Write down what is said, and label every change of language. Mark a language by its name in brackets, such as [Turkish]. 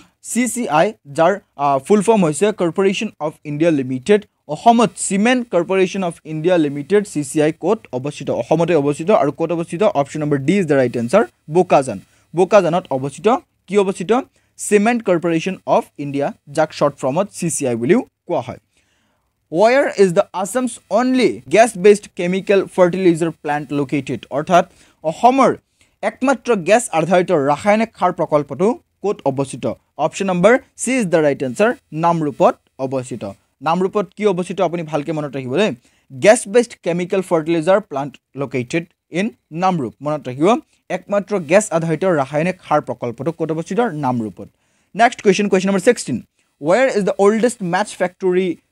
[Assamese] C C I যাৰ ফুল form হৈছে corporation of India limited অসমত cement corporation of India limited C C I ক'ত অৱস্থিত অসমতে অৱস্থিত আৰু ক'ত অৱস্থিত [English] option number D is the right answer [Assamese] Bokajan বোকাজানত অৱস্থিত কি অৱস্থিত Cement Corporation of India, যাক [English] short form of CCI [Assamese] বুলিও কোৱা হয়. [English] Where is the Assam's only gas-based chemical fertilizer plant located? [Assamese] অৰ্থাৎ অসমৰ একমাত্ৰ গেছ আধাৰিত ৰাসায়নিক সাৰ প্ৰকল্পটো ক'ত অৱস্থিত [English] option number C is the right answer [Assamese] নামৰূপত অৱস্থিত নামৰূপত কি অৱস্থিত আপুনি ভালকৈ মনত ৰাখিব দেই [English] gas based chemical fertiliser plant located in Namrup [Assamese] মনত ৰাখিব একমাত্ৰ গেছ আধাৰিত ৰাসায়নিক সাৰ প্ৰকল্পটো ক'ত অৱস্থিত নামৰূপত [English] next question question number 16 where is the oldest match factory